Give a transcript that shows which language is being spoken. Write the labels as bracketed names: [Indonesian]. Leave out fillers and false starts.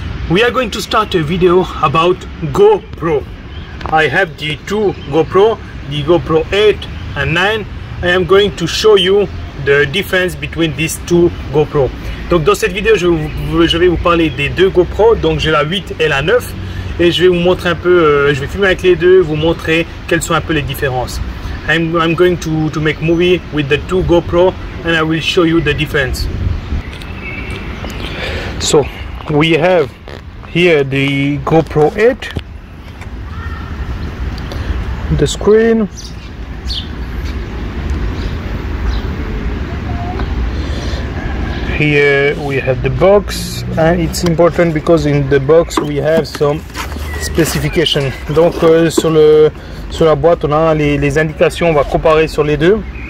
[English] We are going to start a video about GoPro. I have the two GoPro, the GoPro 8 and 9. I am going to show you the difference between these two GoPro. [French] Donc dans cette vidéo, je vais vous parler des deux GoPro. Donc j'ai la 8 et la 9 et je vais vous montrer un peu, je vais filmer avec les deux, vous montrer quelles sont un peu les différences. [English] I'm going to make movie with the two GoPro and I will show you the difference. So we have here the GoPro 8, the screen, here we have the box, and it's important because in the box we have some specification. [French] Donc sur la boîte on a les indications, on va comparer sur les deux.